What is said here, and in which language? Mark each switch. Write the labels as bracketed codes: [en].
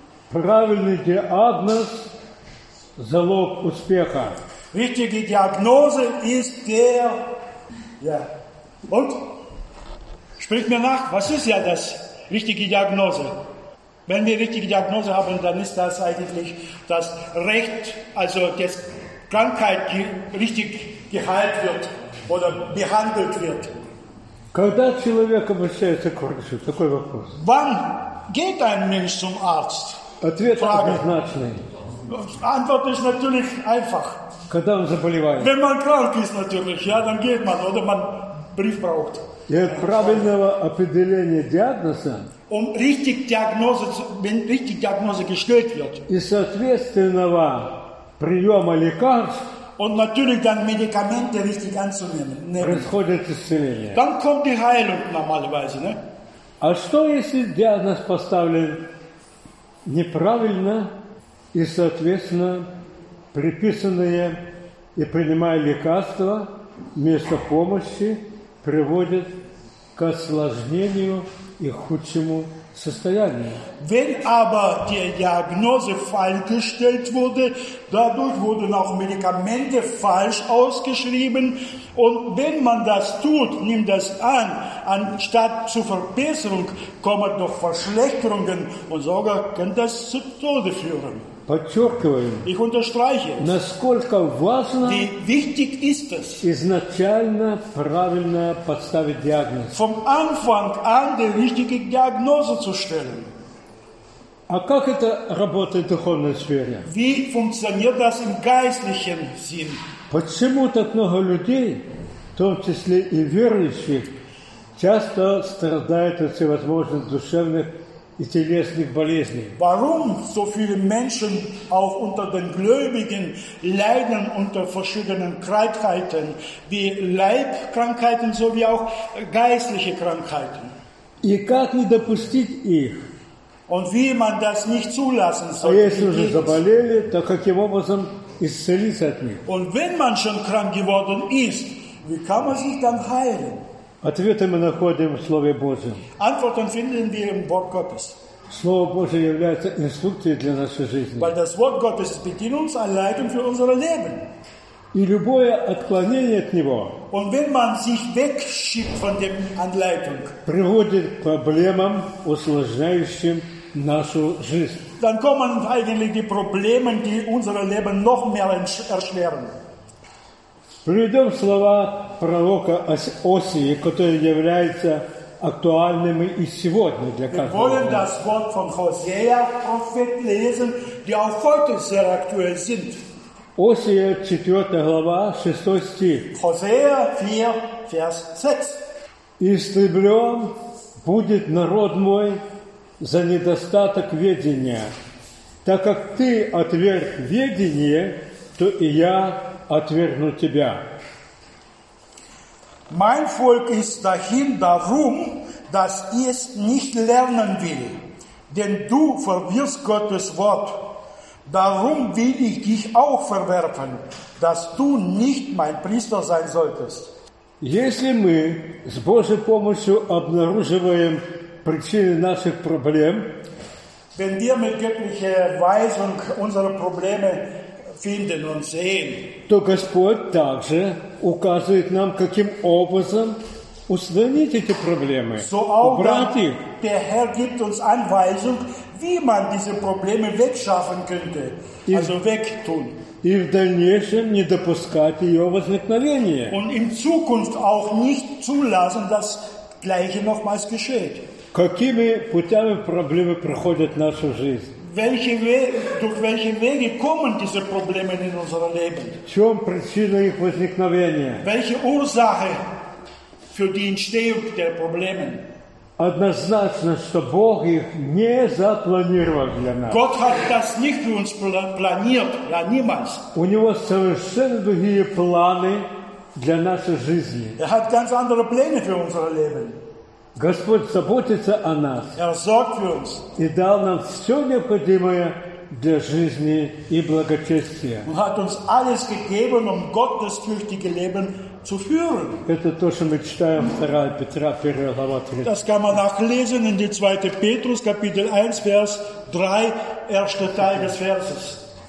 [ru] Правильный диагноз залог успеха. [de] Richtige Diagnose ist der. Ja. Und? Sprich mir nach, was ist ja das richtige Diagnose? Wenn wir richtige Diagnose haben, dann ist das eigentlich das Recht, also das Krankheit richtig geheilt wird oder behandelt wird. [ru] Когда человек обращается к врачу? Такой вопрос. [de] Wann geht ein Mensch zum Arzt? [ru] Ответ однозначный. [de] Antwort ist natürlich einfach. [ru] Когда он заболевает? [de] Wenn man krank ist natürlich, ja, dann geht man oder man Brief braucht. [ru] И от правильного определения диагноза. [de] Um richtig Diagnose, wenn richtig Diagnose gestellt wird. [ru] И соответственного приема лекарств. [de] Und natürlich dann Medikamente richtig anzunehmen. [ru] Происходит исцеление. [de] Dann kommt die Heilung normalerweise, ne? [ru] А что если диагноз поставлен неправильно и соответственно приписанные и принимая лекарства вместо помощи приводит к осложнению и худшему состоянию. [de] Wenn aber die Diagnose falsch gestellt wurde, dadurch wurden auch Medikamente falsch ausgeschrieben. Und wenn man das tut, nimmt das an, anstatt zur Verbesserung kommen noch Verschlechterungen und sogar kann das zu Tode führen. [ru] Подчеркиваю, [de] ich unterstreiche es, [ru] насколько важно [de] wie wichtig ist es, [ru] изначально правильно подставить диагноз. [de] Vom Anfang an die richtige Diagnose zu stellen. [ru] А как это работает в духовной сфере? [de] Wie funktioniert das im geistlichen Sinn? [ru] Почему так много людей, в том числе и верующих, часто страдают от всевозможных душевных и телесных болезней. [de] Warum so viele Menschen auch unter den Gläubigen leiden unter verschiedenen Krankheiten, wie Leibkrankheiten, sowie auch geistliche Krankheiten? [ru] И как не допустить их? [de] Und wie man das nicht zulassen soll? [ru] А если уже заболели, то каким образом исцелиться от них? [de] Und wenn man schon krank geworden ist, wie kann man sich dann heilen? [ru] Ответы мы находим в Слове Божьем. [de] Antworten finden wir im Wort Gottes. [ru] Слово Божье является инструкцией для нашей жизни. [de] Weil das Wort Gottes ist Bedienungsanleitung für unser Leben. [ru] И любое отклонение от него. [de] Und wenn man sich wegschiebt von der Anleitung. [ru] Приводит к проблемам, усложняющим нашу жизнь. [de] Dann kommen eigentlich die Probleme, die unser Leben noch mehr erschweren. [ru] Приведем слова пророка Осии, которые являются актуальными и сегодня для каждого. [de] Wir wollen das Wort von Hosea Prophet lesen, die auch heute sehr aktuell sind. [ru] Осия, 4 глава, 6 стих. [de] Hosea 4, Vers 6. [ru] Истреблен будет народ мой за недостаток ведения. Так как ты отверг ведение, то и я отвергну тебя. [de] Mein Volk ist dahin darum, dass es nicht lernen will, denn du verwirrst Gottes Wort. Darum will ich dich auch verwerfen, dass du nicht mein Priester sein solltest. [ru] Если мы с Божьей помощью обнаруживаем причины наших проблем, [de] wenn wir mit göttlicher Weisung unsere Probleme finden und sehen, [ru] то Господь также указывает нам, каким образом устранить эти проблемы, [de] so [ru] убрать их. [de] Der Herr gibt uns Anweisung, wie man diese Probleme wegschaffen könnte, [ru] и, [de] also wegtun. [ru] И в дальнейшем не допускать ее возникновения. [de] Und in Zukunft auch nicht zulassen, dass das Gleiche nochmals geschieht. [ru] Какими путями проблемы проходят в нашу жизнь? [de] Durch welche Wege kommen diese Probleme in unser Leben? [ru] В чем причина их возникновения? [de] Welche Ursache für die Entstehung der Probleme? [ru] Однозначно, что Бог их не запланировал для нас. [de] Gott hat das nicht für uns planiert, ja niemals. [ru] У него совершенно другие планы для нашей жизни. [de] Er hat ganz andere Pläne für unser Leben. [ru] Господь заботится о нас [de] Er sorgt für uns. [ru] И дал нам все необходимое [de] der [ru] жизни и благочестия. Он [de] hat uns alles gegeben, um gottesfürchtige Leben zu führen. [ru] Это то, что мы читаем 2 Петра, 1 глава 3. [de] Das kann man nachlesen in die 2. Petrus, Kapitel 1, Vers 3, erster Teil des Verses.